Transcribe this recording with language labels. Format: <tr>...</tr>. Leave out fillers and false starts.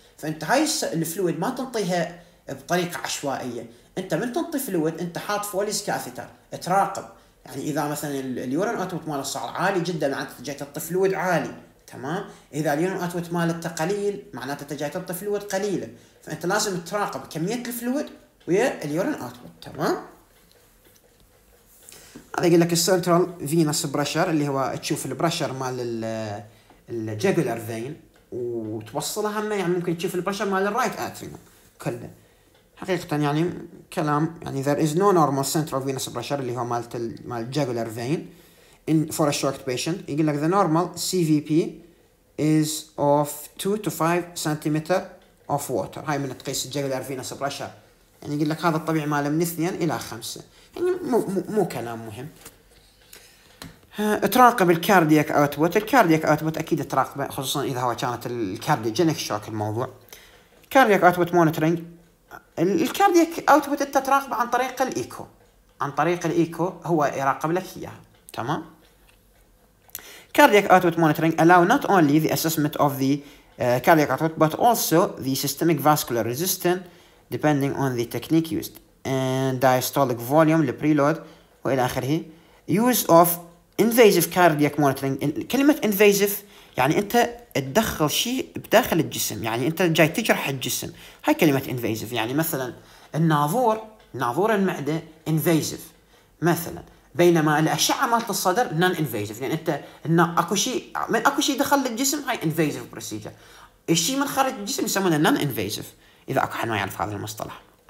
<ar>فانت هاي الفلويد ما تنطيها بطريقة عشوائية، انت من تنطي فلويد انت حاط فوليس كاثيتر تراقب، يعني اذا مثلا اليورين اوتبوت ماله صار عالي جدا معناته جاي تطي فلويد عالي، تمام؟ اذا اليورين اوتبوت ماله قليل معناته جاي تطي فلويد قليله، فانت لازم تراقب كميه الفلويد ويا اليورين اوتبوت، تمام؟ هذا يقول لك السنترال فينوس بريشر اللي هو تشوف البريشر مال الجاجولار فين وتوصلها هم، يعني ممكن تشوف البريشر مال الرايت اتريوم كله. حقيقة يعني كلام يعني</ar> <en>there is no normal central venous pressure</en> <ar>اللي هو مالت مال</ar> <en>jugular vein in for a shocked patient.</en> <ar>يقول لك</ar> <en>the normal CVP is of 2-5 centimeter of water.</en> <ar>هاي من تقيس jugular venous pressure، يعني يقول لك هذا الطبيعي ماله من 2 إلى 5، يعني مو كلام مهم. تراقب الكاردياك اوتبوت، الكاردياك اوتبوت اكيد تراقبه خصوصا اذا هو كانت الكارديوجينيك شوك.</ar> <en>الموضوع cardiac output monitoring الكاردياك output</en> <ar>انت تراقب عن طريق الايكو، عن طريق الايكو هو يراقب لك اياها،</ar> <en>تمام؟ Cardiac output monitoring allow not only the assessment of the cardiac output but also the systemic vascular resistance depending on the technique used and diastolic volume the preload</en> <ar>والى اخره.</ar> <en>use of invasive cardiac monitoring،</en> <ar>كلمه invasive يعني انت تدخل شيء بداخل الجسم، يعني انت جاي تجرح الجسم، هاي كلمه انفيزيف. يعني مثلا الناظور المعده انفيزيف مثلا، بينما الاشعه مالت الصدر نون انفيزيف، يعني انت اكو شيء دخل للجسم هاي انفيزيف بروسيجر، الشيء من خارج الجسم يسمونه نون انفيزيف اذا اكو حد ما يعرف هذا المصطلح.</ar>